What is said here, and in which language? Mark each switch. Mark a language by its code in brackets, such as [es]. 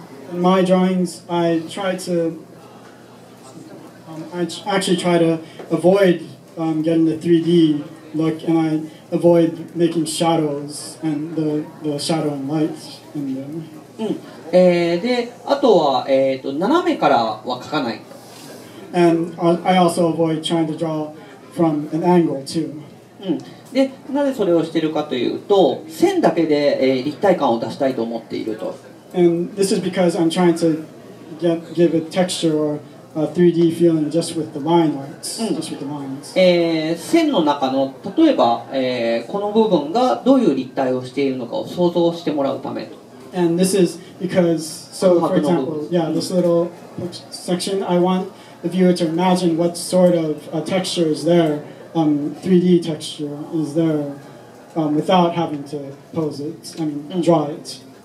[en] My drawings, I try to, I actually try to avoid getting the 3D look, and I avoid making shadows and the shadow and light in them. [ja] で、あとは、斜めからは描かない。 [en] And I also avoid trying to draw from an angle too. [ja] で、なぜそれをしているかというと、線だけで、立体感を出したいと思っていると。 [en] And this is because I'm trying to give a texture or a 3D feeling just with the line arts. Just with the lines. [ja] 線の中の、例えば、この部分がどういう立体をしているのかを想像してもらうためと。 [en] And this is because, so for example, yeah, this little section I want. The viewer to imagine what sort of a texture is there, 3D texture is there, without having to pose it, I mean, draw it.